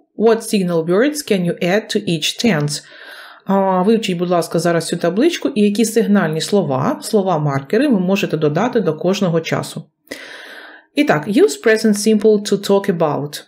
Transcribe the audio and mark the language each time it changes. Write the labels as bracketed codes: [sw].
[en] What signal words can you add to each tense? [uk] Вивчіть, будь ласка, зараз цю табличку і які сигнальні слова, слова-маркери ви можете додати до кожного часу. І так, [en] use present simple to talk about.